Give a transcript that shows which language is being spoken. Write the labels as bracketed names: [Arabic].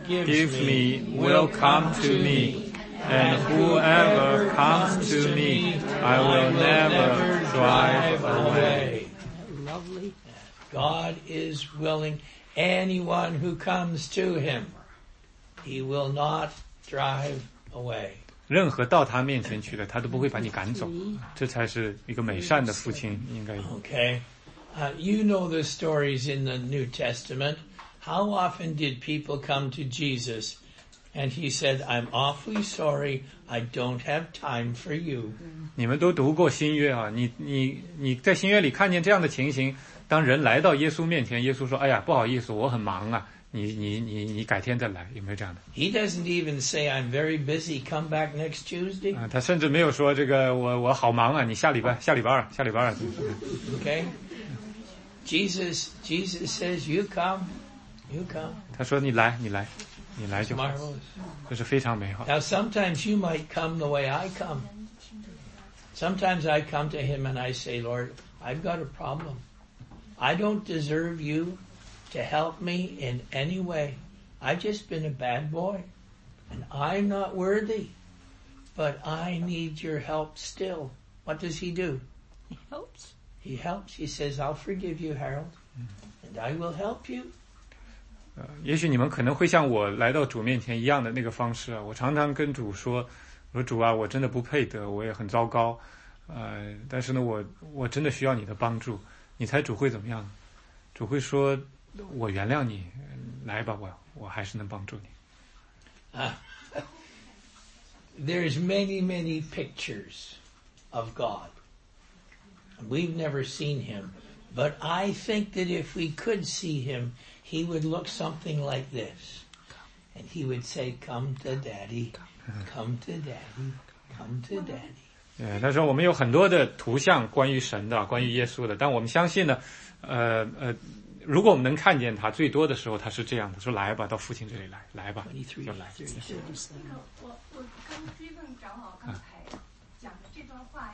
[English] gives me will come to me, and whoever comes to me I will never drive away. Lovely. God is willing anyone who comes to him he will notDrive away. [Chinese] 任何到他面前去的，他都不会把你赶走。这才是一个美善的父亲应该有。 [English] Okay, you know the stories in the New Testament. How often did people come to Jesus, and he said, "I'm awfully sorry, I don't have time for you." [Chinese] 你们都读过新约啊？你在新约里看见这样的情形，当人来到耶稣面前，耶稣说：“哎呀，不好意思，我很忙啊。” 你改天再来，有没有这样的？ [English] He doesn't even say I'm very busy. Come back next Tuesday. [Chinese] 他甚至没有说这个我好忙啊，你下礼拜二。 [English] Okay. Jesus says you come. [Chinese] 他说你来就好。 [English] Marvelous. [Chinese] 这是非常美好。 [English] Now sometimes you might come the way I come. Sometimes I come to him and I say, Lord, I've got a problem. I don't deserve you to help me in any way. I've just been a bad boy, and I'm not worthy, but I need your help still. What does he do? He helps. He helps. He says, I'll forgive you, Harold, and I will help you. [Chinese] 也许你们可能会像我来到主面前一样的那个方式啊，我常常跟主说，我说主啊，我真的不配得，我也很糟糕，但是呢，我真的需要你的帮助。你猜主会怎么样？主会说，我原谅你，来吧，我还是能帮助你。 [English] There's many, many pictures of God. We've never seen him, but I think that if we could see him,He would look something like this. And he would say, come to daddy, come to daddy, come to daddy. [Chinese] Yeah, 他说我们有很多的图像关于神的，关于耶稣的，但我们相信呢，如果我们能看见他，最多的时候他是这样的，说来吧，到父亲这里来，来吧，就来。 23, 23, 23. 那个，我跟Steven长老刚才讲的这段话，